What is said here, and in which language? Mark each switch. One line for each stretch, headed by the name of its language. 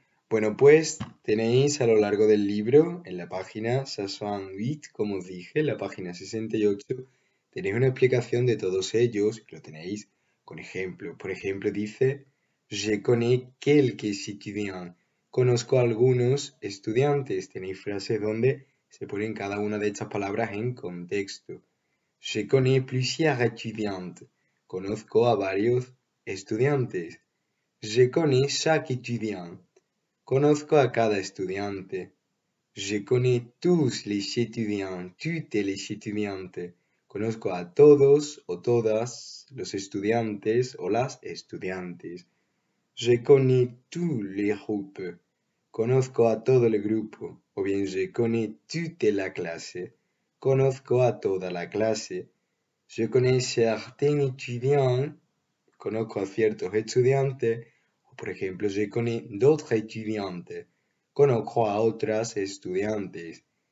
Spanish: Bueno, pues tenéis a lo largo del libro, en la página 68, como os dije, la página 68, tenéis una explicación de todos ellos, lo tenéis con ejemplos. Por ejemplo, dice:
French: Je connais quelques étudiants.
Spanish: Conozco a algunos estudiantes. Tenéis frases donde se ponen cada una de estas palabras en contexto.
French: Je connais plusieurs étudiants.
Spanish: Conozco a varios estudiantes.
French: Je connais chaque étudiant.
Spanish: Conozco a cada estudiante.
French: Je connais tous les étudiants, toutes les étudiantes.
Spanish: Conozco a todos o todas los estudiantes o las estudiantes.
French: Je connais tous les groupes.
Spanish: Conozco a todo el grupo. O bien,
French: je connais toute la clase.
Spanish: Conozco a toda la clase.
French: Je connais certains étudiants.
Spanish: Conozco a ciertos estudiantes. O por ejemplo,
French: je connais d'autres étudiantes.
Spanish: Conozco a otras estudiantes.